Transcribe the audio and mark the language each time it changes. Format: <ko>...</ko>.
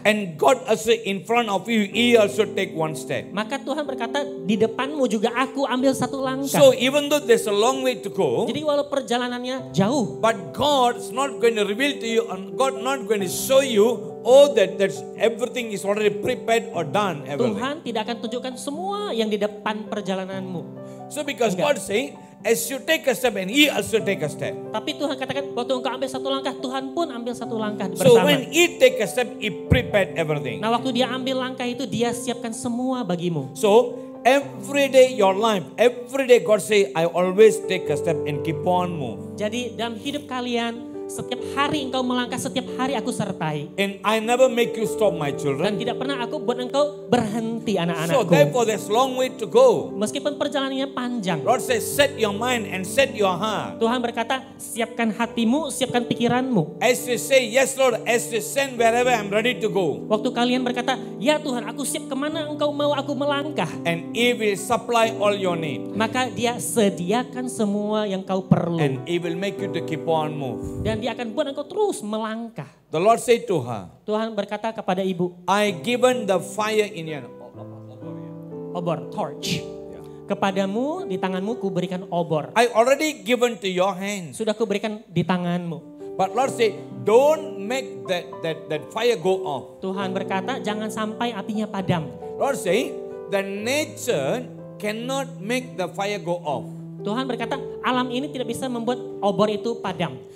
<en>And God also in front of you, He also take one step.</en> <id>Maka Tuhan berkata, di depanmu juga aku ambil satu langkah.</id> <en>So even though there's a long way to go.</en> <id>Jadi walau perjalanannya jauh.</id> <en>But God's not going to reveal to you, and God not going to show you. Oh, that's everything is already prepared or done. Everything.</en> <id>Tuhan tidak akan tunjukkan semua yang di depan perjalananmu.</id> <en>So because God saying, as you take a step, and He also take a step.</en> <id>Tapi Tuhan katakan, waktu engkau ambil satu langkah, Tuhan pun ambil satu langkah bersama.</id> <en>So when He take a step, He prepared everything.</en> <id>Nah, waktu dia ambil langkah itu, dia siapkan semua bagimu.</id> <en>So every day your life, every day God say, I always take a step and keep on move.</en> <id>Jadi dalam hidup kalian, setiap hari engkau melangkah, setiap hari aku sertai.</id> <en>And I never make you stop my children.</en> <id>Dan tidak pernah aku buat engkau berhenti anak-anakku.</id> <en>So therefore there's long way to go.</en> <id>Meskipun perjalanannya panjang.</id> <en>Lord says, set your mind and set your heart.</en> <id>Tuhan berkata, siapkan hatimu, siapkan pikiranmu.</id> <en>As you say, yes Lord, as you send wherever I'm ready to go.</en> <id>Waktu kalian berkata, ya Tuhan, aku siap kemana engkau mau aku melangkah.</id> <en>And he will supply all your need.</en> <id>Maka dia sediakan semua yang kau perlu.</id> <en>And he will make you to keep on move.</en> <id>Dan dia akan buat engkau terus melangkah.</id> <en>The Lord said to her.</en> <id>Tuhan berkata kepada ibu.</id> <en>I given the fire in your</en> <id>obor,</id> <en>torch. Yeah.</en> <id>Kepadamu di tanganmu ku berikan obor.</id> <en>I already given to your hand.</en> <id>Sudah ku berikan di tanganmu.</id> <en>But Lord said, don't make that fire go off.</en> <id>Tuhan berkata jangan sampai apinya padam.</id> <en>Lord said, the nature cannot make the fire go off.</en> <id>Tuhan berkata alam ini tidak bisa membuat obor itu padam.</id>